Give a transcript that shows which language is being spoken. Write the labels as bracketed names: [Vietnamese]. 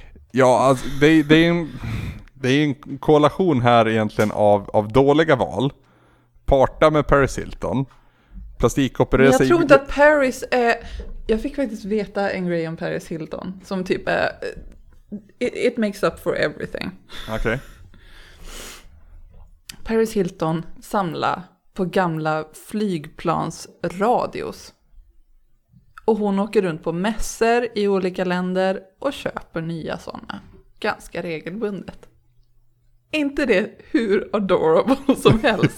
[Swedish] Ja, alltså det är en koalition här egentligen av dåliga val. Parta med Paris Hilton. Plastikoperera sig. Jag tror inte att Paris är... Jag fick faktiskt veta en grej om Paris Hilton som typ är... [English] It makes up for everything. [Swedish] Okej. [English] Okay. [Swedish] Paris Hilton samla på gamla flygplansradios. Och hon åker runt på mässor i olika länder och köper nya sådana. Ganska regelbundet. Inte det hur adorable som helst.